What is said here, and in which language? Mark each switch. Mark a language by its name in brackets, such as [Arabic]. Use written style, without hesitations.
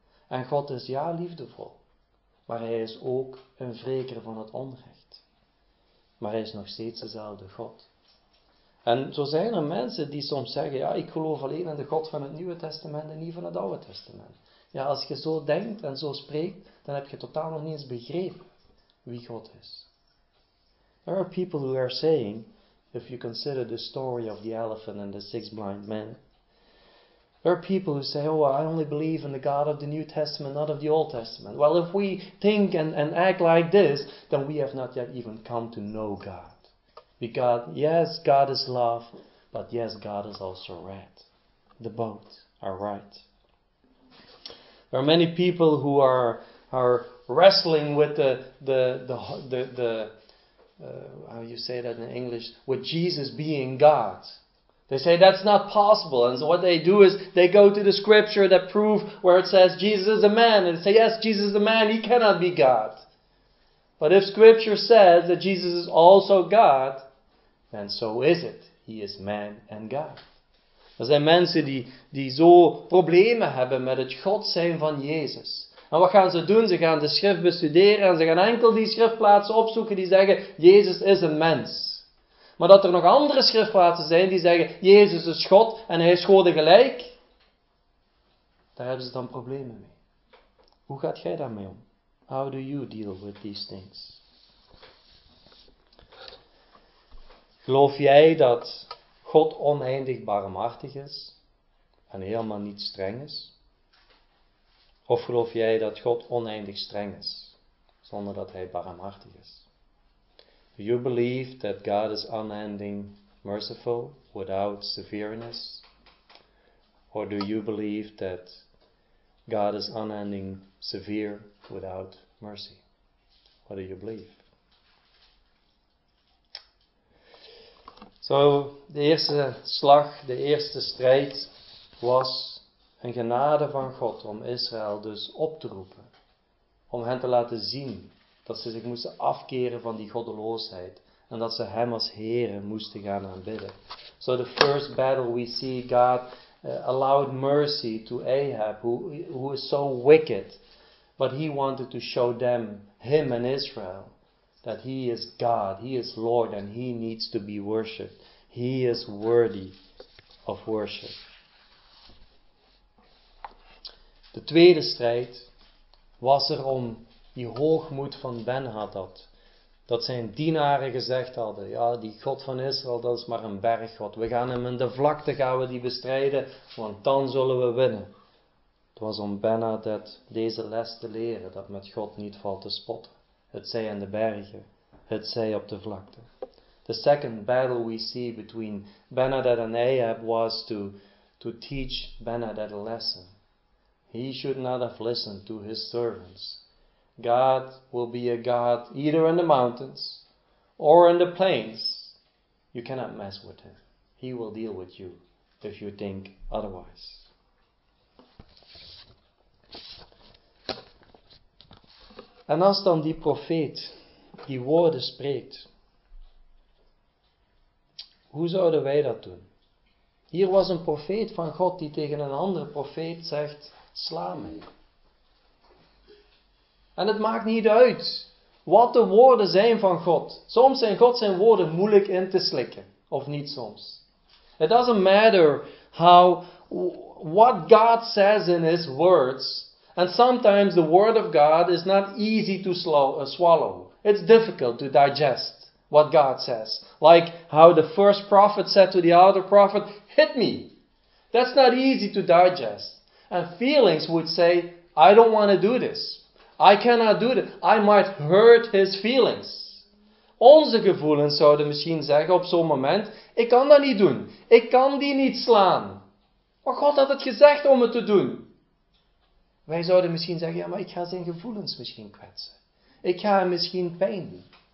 [Dutch] En God is ja liefdevol, maar hij is ook een wreker van het onrecht. Maar hij is nog steeds dezelfde God. En zo zijn er mensen die soms zeggen, ja, ik geloof alleen in de God van het Nieuwe Testament en niet van het Oude Testament. Ja, als je zo denkt en zo spreekt, dan heb je totaal nog niet eens begrepen wie God is. [English] There are people who are saying, if you consider the story of the elephant and the 6 blind men, there are people who say, oh, I only believe in the God of the New Testament, not of the Old Testament. Well, if we think and act like this, then we have not yet even come to know God. Because, yes, God is love, but yes, God is also right. The both are right. There are many people who are wrestling with how you say that in English, with Jesus being God. They say that's not possible. And so what they do is they go to the scripture that prove where it says Jesus is a man. And they say, yes, Jesus is a man. He cannot be God. But if scripture says that Jesus is also God, then so is it. He is man and God. [Dutch] Er zijn mensen die zo problemen hebben met het God zijn van Jezus. En wat gaan ze doen? Ze gaan de schrift bestuderen en ze gaan enkel die schriftplaatsen opzoeken die zeggen, Jezus is een mens. Maar dat er nog andere schriftplaatsen zijn die zeggen, Jezus is God en hij is God gelijk. Daar hebben ze dan problemen mee. Hoe gaat jij daarmee om? [English] How do you deal with these things? [Dutch] Geloof jij dat God oneindig barmhartig is en helemaal niet streng is? Of geloof jij dat God oneindig streng is, zonder dat hij barmhartig is? [English] Do you believe that God is unending merciful without severeness? Or do you believe that God is unending severe without mercy? What do you believe? [Dutch] So, de eerste slag, de eerste strijd was een genade van God om Israël dus op te roepen. Om hen te laten zien dat ze zich moesten afkeren van die goddeloosheid. En dat ze hem als Heere moesten gaan aanbidden. [English] So the first battle we see God allowed mercy to Ahab who is so wicked. But he wanted to show them, him and Israel, that he is God, he is Lord and he needs to be worshipped. He is worthy of worship. [Dutch] De tweede strijd was er om die hoogmoed van Ben-Hadad. Dat zijn dienaren gezegd hadden. Ja, die God van Israël, dat is maar een berggod. We gaan hem in de vlakte gaan we die bestrijden, want dan zullen we winnen. was om Ben-Hadad deze les te leren, dat met God niet valt te spotten. Het zij in de bergen, het zij op de vlakte. [English] The second battle we see between Ben-Hadad and Ahab was to teach Ben-Hadad a lesson. He should not have listened to his servants. God will be a God either in the mountains or in the plains. You cannot mess with him. He will deal with you if you think otherwise. [Dutch] En als dan die profeet die woorden spreekt, hoe zouden wij dat doen? Hier was een profeet van God die tegen een andere profeet zegt, sla mij. En het maakt niet uit wat de woorden zijn van God. Soms zijn God zijn woorden moeilijk in te slikken. Of niet soms. [English] It doesn't matter how what God says in his words. And sometimes the word of God is not easy to swallow. It's difficult to digest what God says. Like how the first prophet said to the other prophet, hit me. That's not easy to digest. And feelings would say, I don't want to do this. I cannot do that. I might hurt his feelings. [Dutch] Onze gevoelens zouden misschien zeggen op zo'n moment, ik kan dat niet doen. Ik kan die niet slaan. Maar God had het gezegd om het te doen. Wij zouden misschien zeggen, ja, maar ik ga zijn gevoelens misschien kwetsen. Ik ga hem misschien pijn doen.